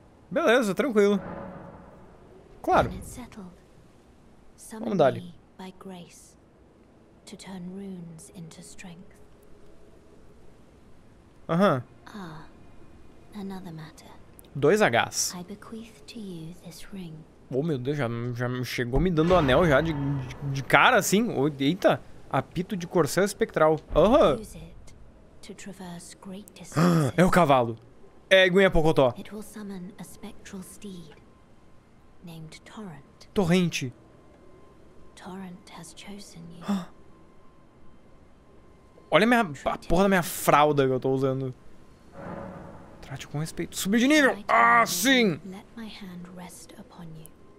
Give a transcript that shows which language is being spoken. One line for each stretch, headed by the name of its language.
Portuguese: Beleza, tranquilo. Claro. Vamos dali.
English: By grace, to turn runes into strength.
Portuguese: Aham.
English: Ah, another matter.
Portuguese: Dois H's.
English: I bequeath to you this ring.
Portuguese: Oh, meu Deus, já chegou me dando o anel já de cara assim. Oh, eita, apito de corcel espectral. Aham.
English: Use it to traverse great distances.
Portuguese: É o cavalo. É Guinha Pocotó.
English: It will summon a spectral steed named Torrent.
Portuguese: Torrente.
English: Torrent has chosen you.
Portuguese: Olha a porra da minha fralda que eu tô usando. Trate com respeito. Subir de nível. Ah, sim.
English: Let my hand rest upon you.